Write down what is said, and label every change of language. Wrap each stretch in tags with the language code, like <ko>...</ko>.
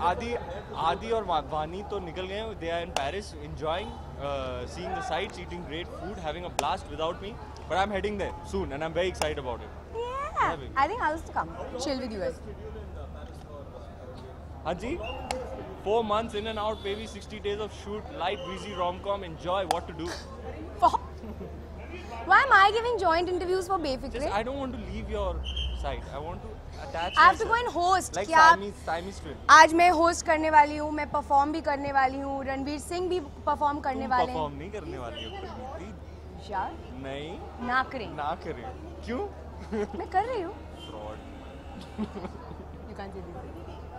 <hi>आदि आदि और वानी तो निकल गए,</hi> <en>They are in Paris enjoying seeing the sights, eating great food, having a blast without me, but I am heading there soon and I am very excited about it. Yeah I think I will just come chill with you guys.</en> <hi>हां जी,</hi> <en>4 months in and out, maybe 60 days of shoot, light breezy romcom, enjoy, what to do? Why am I giving joint interviews for Befikre? Just, I don't want to leave your site. I want to attach. I have to go and host. Like Siamese twin.</en> <hi>आज मैं host करने वाली हूँ, मैं perform भी करने वाली हूँ, रणवीर सिंह भी perform करने वाले हैं। तुम perform नहीं करने वाली हो? यार नहीं, ना करें, ना करें। क्यों? मैं कर रही हूँ।</hi> <en>Fraud. You can't do this.</en>